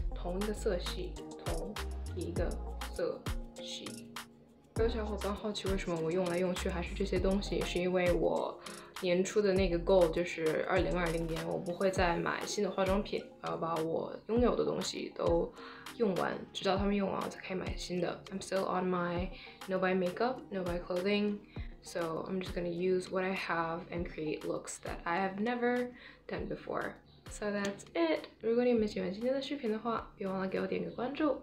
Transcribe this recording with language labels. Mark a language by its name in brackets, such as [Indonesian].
[Chinese] 同一个色系，同一个色系。各位小伙伴好奇为什么我用来用去还是这些东西，是因为我年初的那个 goal 就是2020年我不会再买新的化妆品，我要把我拥有的东西都用完，直到他们用完我才可以买新的。 [English] I'm still on my no buy makeup, no buy clothing, so I'm just gonna use what I have and create looks that I have never done before. So that's it. [Chinese] 如果你们喜欢今天的视频的话，别忘了给我点个关注。